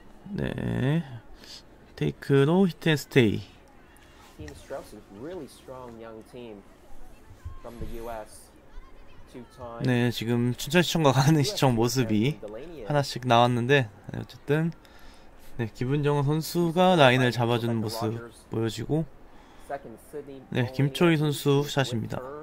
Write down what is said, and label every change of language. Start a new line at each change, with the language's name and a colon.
Korean: 네, 테이크로 히트 앤 스테이. 팀 스트라우스는
English: really strong young team from the US.
Korean: 네, 지금 춘천시청과 강릉시청 모습이 하나씩 나왔는데 어쨌든 네, 김은정 선수가 라인을 잡아주는 모습 보여지고 네, 김초희 선수 샷입니다.